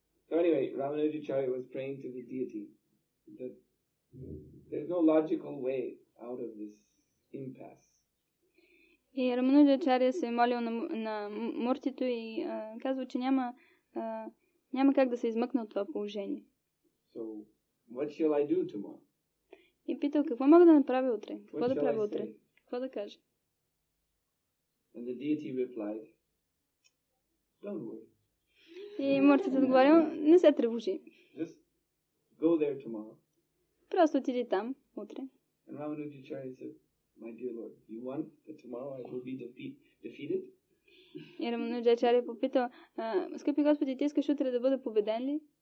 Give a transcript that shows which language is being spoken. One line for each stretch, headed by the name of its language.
English: So anyway, Рамануджа Ачарья was praying to the deity that there's no logical way out of this impasse.
Bulgarian: И Рамануджа Ачарья се е молил на Муртито и казва, че няма как да се измъкне от това положение.
English: So, What shall I do tomorrow?
Bulgarian: И питал, какво мога да направя утре? Какво да правя утре? Какво да кажа?
English: And the deity replied, don't worry.
Bulgarian: И мъртвецът отговорил, не се тревожи.
English: Just go there tomorrow.
Bulgarian: Просто отиди там, утре.
English: And Ramanujacharya said, my dear lord, you want that tomorrow I will be defeated?
Bulgarian: И Рамануджачари е попитал, скъпи господи, ти искаш утре да бъда победен ли?